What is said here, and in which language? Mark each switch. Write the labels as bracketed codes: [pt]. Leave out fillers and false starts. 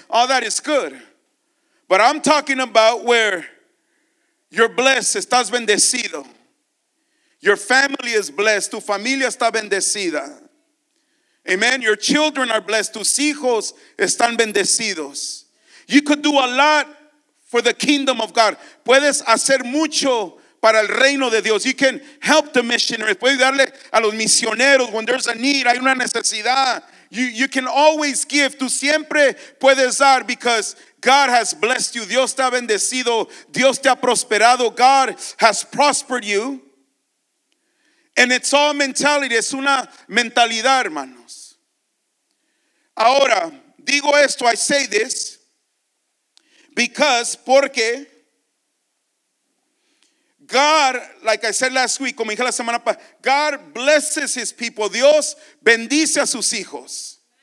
[en] All that is good. But I'm talking about where you're blessed, [es] estás bendecido. [en] Your family is blessed, [es] tu familia está bendecida. [en] Amen, your children are blessed, [es] tus hijos están bendecidos. [en] You could do a lot for the kingdom of God. [es] Puedes hacer mucho para el reino de Dios. [en] You can help the missionaries. [es] Puedes darle a los misioneros [en] when there's a need, [es] hay una necesidad. [en] You can always give. [es] Tú siempre puedes dar [en] because God has blessed you. [es] Dios te ha bendecido. Dios te ha prosperado. [en] God has prospered you. And it's all mentality. [es] Es una mentalidad, hermanos. Ahora, digo esto, [en] I say this, because, [es] porque, [en] God, like I said last week, [es] como dije la semana pasada, [en] God blesses his people. [es] Dios bendice a sus hijos.